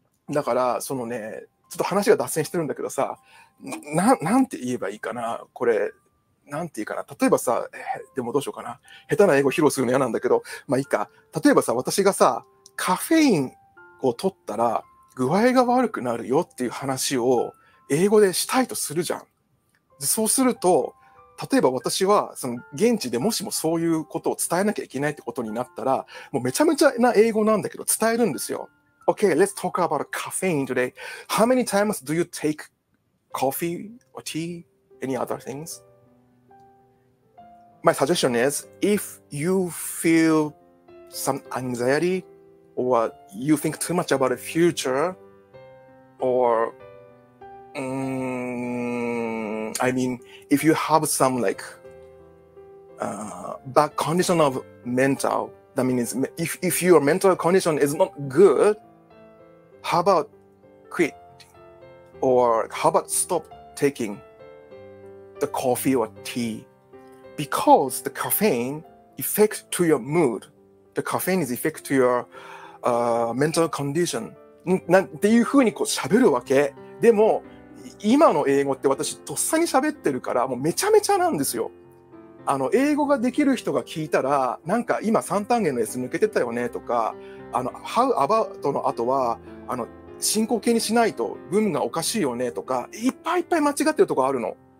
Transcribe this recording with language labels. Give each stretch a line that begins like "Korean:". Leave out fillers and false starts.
Japanese: だから、そのね、ちょっと話が脱線してるんだけどさ、なんて言えばいいかな、これ、なんて言うかな、例えばさ、でもどうしようかな、下手な英語披露するの嫌なんだけど、まあいいか、例えばさ、私がさ、カフェインを取ったら、具合が悪くなるよっていう話を、英語でしたいとするじゃん。そうすると、例えば私は、その現地でもしもそういうことを伝えなきゃいけないってことになったら、もうめちゃめちゃな英語なんだけど、伝えるんですよ。
English: Okay, let's talk about caffeine today. How many times do you take coffee or tea? Any other things? My suggestion is, if you feel some anxiety or you think too much about the future, or I mean, if you have some like bad condition of mental. That means if your mental condition is not good, how about quit? Or how about stop taking the coffee or tea? Because the caffeine affects to your mood. The caffeine is effect to your mental condition.
Japanese: なんていうふうにこう喋るわけ。でも、今の英語って私とっさに喋ってるから、もうめちゃめちゃなんですよ。あの、英語ができる人が聞いたら、なんか今3単元の S 抜けてたよねとか、あの、how about の後は、あの、進行形にしないと文がおかしいよねとか、いっぱいいっぱい間違ってるとこあるの。